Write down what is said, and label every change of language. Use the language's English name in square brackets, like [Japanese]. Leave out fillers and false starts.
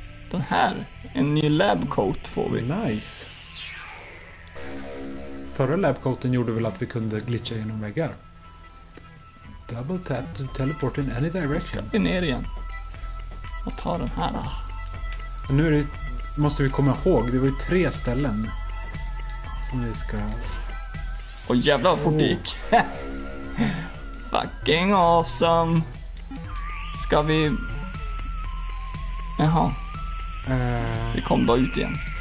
[Swedish] Den här. En ny lab coat får vi. [English] Nice. [Swedish] Förra lab coaten gjorde väl att vi kunde glitcha genom väggar. [English] Double tap to teleport in any direction. [Swedish] Vi ska ner igen. Och ta den här. Men nu är det, måste vi komma ihåg. Det var ju tre ställen. Som vi ska... Och jävla vad fort det gick. [English] Fucking awesome. [Swedish] Ska vi... Jaha. Vi kom bara ut igen.